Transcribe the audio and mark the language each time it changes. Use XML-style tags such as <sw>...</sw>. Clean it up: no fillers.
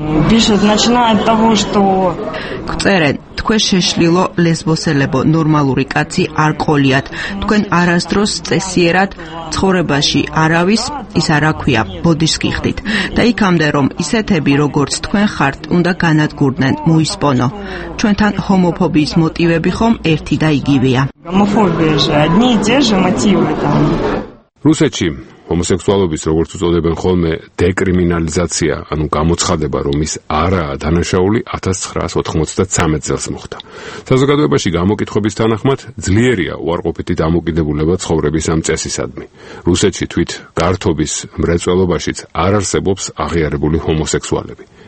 <ru>Пишет, начиная от того, что кцерен,</ru> <ka>თქვენ შეშლილო ლესბოსელებო, ნორმალური კაცი არ ყოლიათ. თქვენ არასდროს წესიერად ცხოვრებაში არავის, ის არ აქვია, ბოდიშს გიხდით. და იქამდე რომ ისეთები როგორც თქვენ ხართ, უნდა განადგურდნენ, მოისპონო. ჩვენთან ჰომოფობიის მოტივები ხომ ერთი და იგივეა.</ka> <ru>Гомофобия же одни и те же мотивы там. Русачим</ru> <ka>ჰომოსექსუალობის, როგორც უწოდებენ ხოლმე, დეკრიმინალიზაცია, ანუ გამოცხადება, რომ ის არაა დანაშაული, 1993 წელს მოხდა. საზოგადოებაში გამოკითხების თანახმად, ძლიერია უარყოფითი დამოკიდებულება ცხოვრების ამ წესისადმი. რუსეთში თვით გართობის მრეწველობაშიც არ არსებობს აღიარებული ჰომოსექსუალები.</ka>